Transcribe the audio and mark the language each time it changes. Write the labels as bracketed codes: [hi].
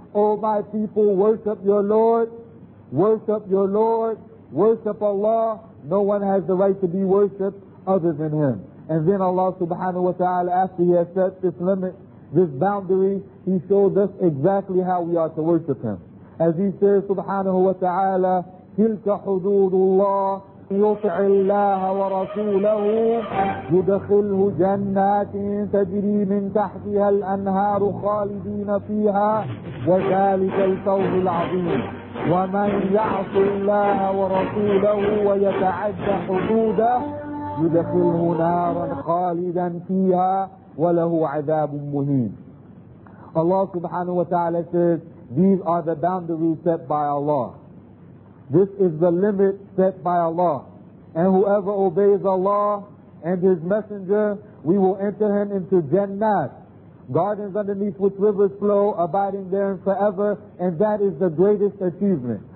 [en] O my people, worship your Lord. Worship your Lord. Worship Allah. No one has the right to be worshipped other than Him. And then Allah subhanahu wa ta'ala, after He has set this limit, this boundary, He showed us exactly how we are to worship Him. As He says subhanahu wa ta'ala, [ar] تِلْكَ حُدُودُ اللَّهِ يُطِعِ اللَّهَ وَرَسُولَهُ يُدَخِلْهُ جَنَّاتٍ تَجْرِي مِنْ تَحْتِهَا الْأَنْهَارُ خَالِدِينَ فِيهَا وَذَلِكَ الْفَوْزُ الْعَظِيمُ وَمَنْ يَعْصِ اللَّهَ وَرَسُولَهُ وَيَتَعَدَّ حُدُودَهُ يدخله نارا خالدا فيها وله عذاب مهين. [en] Allah subhanahu wa ta'ala says, these are the boundaries set by Allah. This is the limit set by Allah. And whoever obeys Allah and His messenger, we will enter him into Jannat, gardens underneath which rivers flow, abiding therein forever, and that is the greatest achievement.